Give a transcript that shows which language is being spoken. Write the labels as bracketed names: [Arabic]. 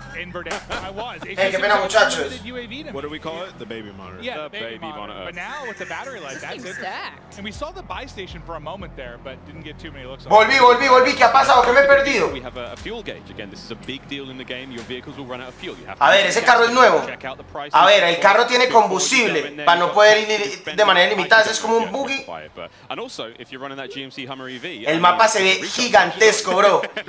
[Spanish] Hey, qué pena, muchachos. [English] What do we call it? The baby monitor. Yeah, the baby monitor. But now with the battery life, that's it. And we saw the buy station for a moment there, but didn't get too many looks. [Spanish] Volví. ¿Qué ha pasado? ¿Qué me he perdido? [English] We have a fuel gauge again. This is a big deal in the game. Your vehicles will run out of fuel. You have to. [Spanish] A ver, ese carro es nuevo. A ver, el carro tiene combustible para no poder ir de manera limitada. Es como un buggy. [English] And also, if you're running that GMC Hummer EV, [Spanish] el mapa se ve gigantesco, bro.